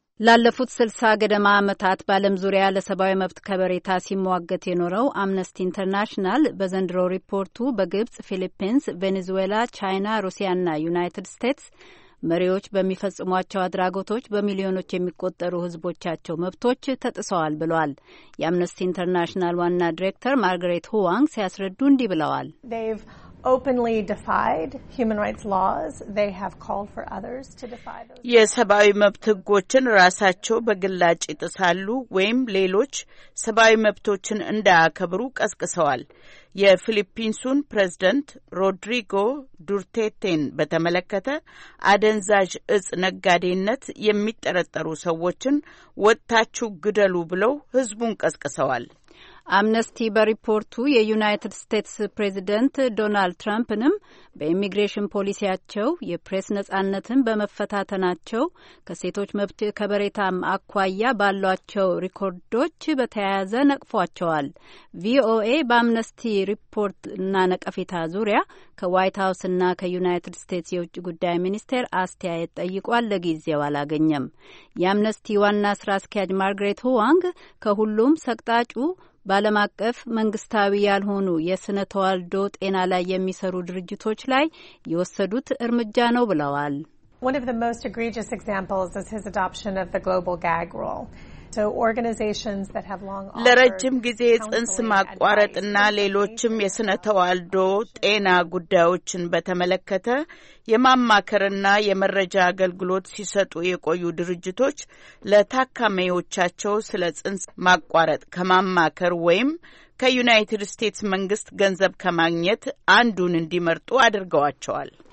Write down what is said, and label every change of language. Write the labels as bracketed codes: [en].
[am] ላለፉት 60 ገደማ ዓመታት በዓለም ዙሪያ ለሰብአዊ መብት ከበሬታ ሲሟገት የኖረው አምነስቲ ኢንተርናሽናል በዘንድሮ ሪፖርቱ በግብጽ፣ ፊሊፒንስ፣ ቬኔዙዌላ፣ ቻይና፣ ሩሲያና ዩናይትድ ስቴትስ መሪዎች በሚፈጽሟቸው አድራጎቶች በሚሊዮኖች የሚቆጠሩ ሕዝቦቻቸው መብቶች ተጥሰዋል ብለዋል። የአምነስቲ ኢንተርናሽናል ዋና ዲሬክተር ማርግሬት ሁዋንግ ሲያስረዱ እንዲህ ብለዋል። [en] Openly defied human rights laws. They have called for others to defy those. [am] የሰብአዊ መብት ሕጎችን ራሳቸው በግላጭ ይጥሳሉ ወይም ሌሎች ሰብአዊ መብቶችን እንዳያከብሩ ቀስቅሰዋል። የፊሊፒንሱን ፕሬዝደንት ሮድሪጎ ዱርቴቴን በተመለከተ አደንዛዥ እጽ ነጋዴነት የሚጠረጠሩ ሰዎችን ወጥታችሁ ግደሉ ብለው ሕዝቡን ቀስቅሰዋል። አምነስቲ በሪፖርቱ የዩናይትድ ስቴትስ ፕሬዚደንት ዶናልድ ትራምፕንም በኢሚግሬሽን ፖሊሲያቸው፣ የፕሬስ ነጻነትን በመፈታተናቸው፣ ከሴቶች መብት ከበሬታም አኳያ ባሏቸው ሪኮርዶች በተያያዘ ነቅፏቸዋል። ቪኦኤ በአምነስቲ ሪፖርትና ነቀፌታ ዙሪያ ከዋይት ሀውስና ከዩናይትድ ስቴትስ የውጭ ጉዳይ ሚኒስቴር አስተያየት ጠይቋል፣ ለጊዜው አላገኘም። የአምነስቲ ዋና ስራ አስኪያጅ ማርግሬት ሁዋንግ ከሁሉም ሰቅጣጩ በዓለም አቀፍ መንግስታዊ ያልሆኑ የስነ ተዋልዶ ጤና ላይ የሚሰሩ ድርጅቶች ላይ የወሰዱት እርምጃ ነው ብለዋል። [en] One of the most egregious examples is his adoption of the global gag rule. So organizations that have long offered [am] ለረጅም ጊዜ ጽንስ ማቋረጥና ሌሎችም የስነ ተዋልዶ ጤና ጉዳዮችን በተመለከተ የማማከርና የመረጃ አገልግሎት ሲሰጡ የቆዩ ድርጅቶች ለታካሚዎቻቸው ስለ ጽንስ ማቋረጥ ከማማከር ወይም ከዩናይትድ ስቴትስ መንግስት ገንዘብ ከማግኘት አንዱን እንዲመርጡ አድርገዋቸዋል።